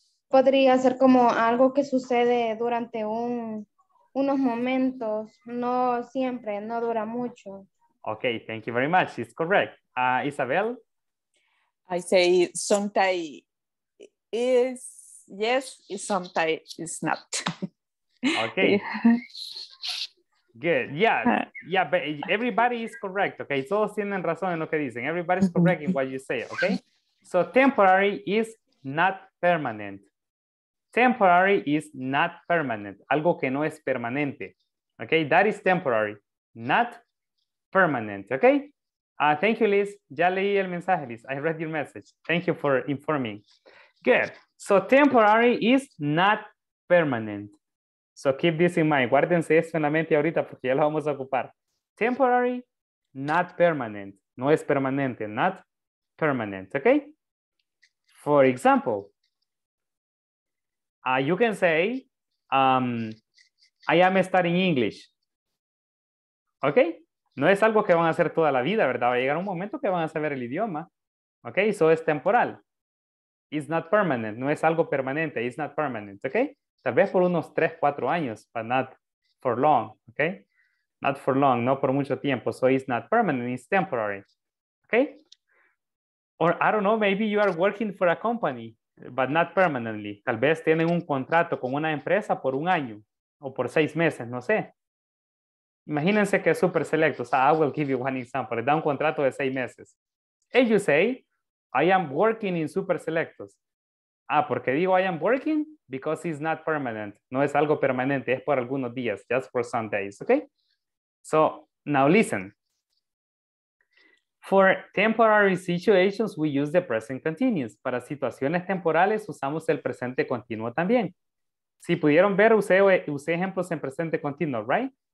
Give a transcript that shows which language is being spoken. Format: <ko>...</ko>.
<es>Podría ser como algo que sucede durante unos momentos, no siempre, no dura mucho.</es> <en>Okay, thank you very much. It's correct. Isabel? I say sometimes is yes, sometimes is not. Okay, good. Yeah, but everybody is correct, okay?</en> <es>Todos tienen razón en lo que dicen.</es> <en>Everybody's correct in what you say, okay? So temporary is not permanent. Temporary is not permanent.</en> <es>Algo que no es permanente,</es> <en>okay? That is temporary, not permanent, okay? Thank you, Liz.</en> <es>Ya leí el mensaje,</es> <en>Liz. I read your message. Thank you for informing. Good. So temporary is not permanent. So keep this in mind.</en> <es>Guárdense esto en la mente ahorita porque ya lo vamos a ocupar.</es> <en>Temporary, not permanent.</en> <es>No es permanente.</es> <en>Not permanent. Okay? For example, you can say, I am studying English. Okay?</en> <es>No es algo que van a hacer toda la vida, ¿verdad? Va a llegar un momento que van a saber el idioma.</es> <en>Okay? So</en> <es>es temporal.</es> <en>It's not permanent.</en> <es>No es algo permanente.</es> <en>It's not permanent. Okay?</en> <es>Tal vez por unos 3-4 años,</es> <en>but not for long, okay? Not for long,</en> <es>no por mucho tiempo.</es> <en>So it's not permanent, it's temporary, okay? Or I don't know, maybe you are working for a company, but not permanently.</en> <es>Tal vez tienen un contrato con una empresa por un año o por 6 meses, no sé. Imagínense que es super selecto.</es> <en>So I will give you one example.</en> <es>Da un contrato de 6 meses.</es> <en>And you say, I am working in super selectos.</en> <es>Ah, porque digo</es> <en>I am working? Because it's not permanent.</en> <es>No es algo permanente. Es por algunos días.</es> <en>Just for some days. Okay? So, now listen. For temporary situations, we use the present continuous.</en> <es>Para situaciones temporales, usamos el presente continuo también. Si pudieron ver, usé ejemplos en presente continuo, right?</es>